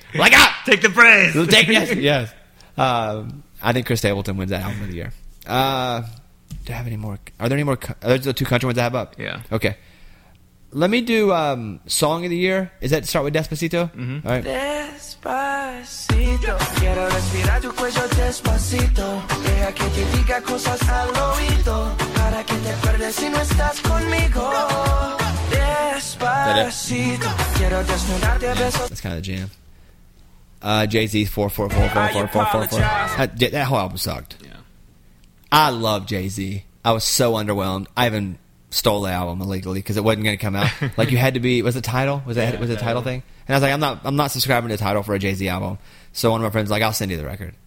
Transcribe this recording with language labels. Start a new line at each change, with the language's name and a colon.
English: Look up. Take the praise. Yes. I think Chris Stapleton wins that album of the year. Do I have any more? Are there any more? Are there the two country ones I have up? Yeah. Okay. Let me do Song of the Year. Is that start with Despacito? Mm-hmm. All right. Despacito.
Spanish: Quiero respirar tu cuello despacito. Deja que te diga cosas al oído. Para que te acuerdes si no estás conmigo. Despacito. Quiero desnudarte a besos.
English: That's kind of jam. Jay-Z's 4444444. That whole album sucked. Yeah. I love Jay-Z. I was so underwhelmed. I haven't stole the album illegally because it wasn't going to come out. Was the title thing? And I was like, I'm not subscribing to Tidal for a Jay-Z album. So one of my friends was like, I'll send you the record.